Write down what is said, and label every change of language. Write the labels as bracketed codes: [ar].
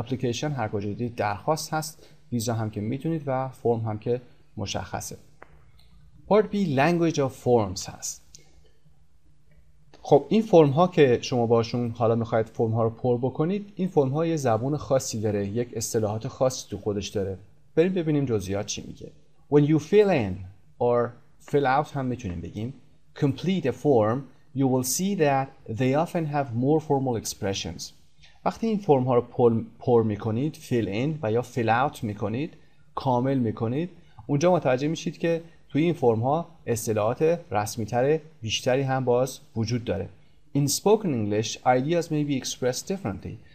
[fa] Application هر کجا دید درخواست هست، ویزا هم که میتونید و فرم هم که مشخصه. [en] Part B language of forms هست. [fa] خب این فرم ها که شما باشون حالا میخواید فرم ها رو پر بکنید، این فرم ها یه زبان خاصی داره، یک اصطلاحات خاصی تو خودش داره. بریم ببینیم جزئیات چی میگه. [en] When you fill in or fill out [fa] هم میتونیم بگیم [en] complete a form, you will see that they often have more formal expressions. [fa] وقتی این فرم ها رو پر میکنید، fill in و یا fill out میکنید، کامل میکنید، اونجا متوجه میشید که توی این فرم ها اصطلاحات رسمی تر بیشتری هم باز وجود داره. [en] In spoken English, ideas may be expressed differently.